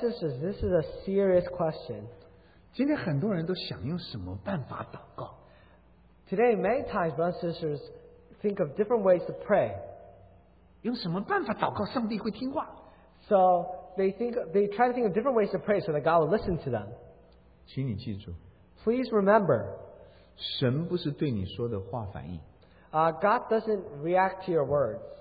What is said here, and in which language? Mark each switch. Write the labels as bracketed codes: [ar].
[en] and sisters, this is a serious question. [zh] 今天很多人都想用什么办法祷告? [en] Today, many times, brothers and sisters think of different ways to pray. [zh] 用什么办法祷告,上帝会听话? [en] So, they try to think of different ways to pray so that God will listen to them. [zh] 请你记住, [en] Please remember, [zh] 神不是对你说的话反应。 [en] God doesn't react to your words.